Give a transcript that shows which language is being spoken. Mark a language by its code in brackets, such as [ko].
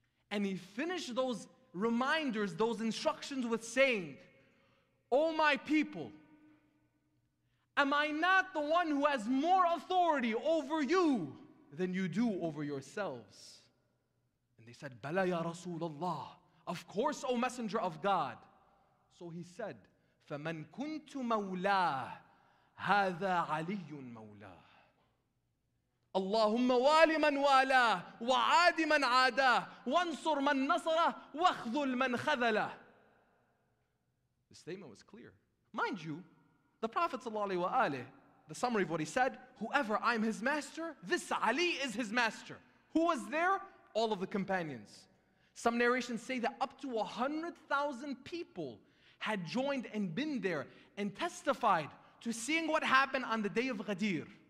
[en] And he finished those reminders, those instructions with saying, O my people, am I not the one who has more authority over you than you do over yourselves? And they said, Bala ya Rasulullah. Of course, O Messenger of God. So he said, [ar] فَمَنْ كُنْتُ مَوْلَاهُ هَذَا عَلِيٌّ مَوْلَاهُ اللَّهُمَّ وَالِ مَنْ وَالَاهُ وَعَادِ مَنْ عَادَاهُ وَانْصُرْ مَنْ نَصَرَهُ وَاخْذُلْ مَنْ خَذَلَهُ. [en] The statement was clear. Mind you, the Prophet sallallahu alayhi wa, the summary of what he said, whoever, I'm his master, this Ali is his master. Who was there? All of the companions. Some narrations say that up to 100,000 people had joined and been there and testified to seeing what happened on the day of Ghadir.